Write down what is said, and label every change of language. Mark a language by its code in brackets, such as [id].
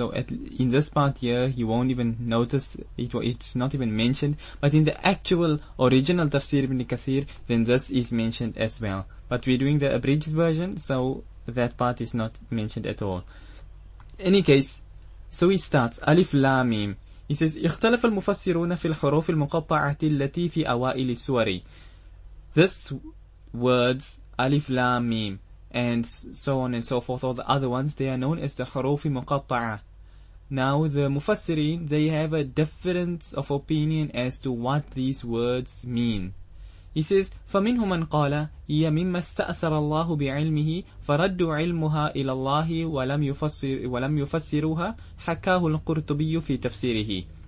[en] So in this part here, you won't even notice it. It's not even mentioned. But in the actual original Tafsir ibn Kathir, then this is mentioned as well. But we're doing the abridged version, so that part is not mentioned at all. Any case, so he starts Alif Lam Mim. He says, [ar] اختلف المفسرون في الحروف المقطعة التي في أوائل السور. [en] This words Alif Lam Mim, and so on and so forth, all the other ones, they are known as the Harufi Muqatta'a. Now, the Mufassirin, they have a difference of opinion as to what these words mean. He says, [ar] فَمِنْهُ مَنْ قَالَ هِيَ مِمَّا اسْتَأْثَرَ اللَّهُ بِعِلْمِهِ فَرَدُّ عِلْمُهَا إِلَى اللَّهِ وَلَمْ يُفَسِّرُهَا حَكَاهُ الْقُرْتُبِيُّ فِي تَفْسِيرِهِ.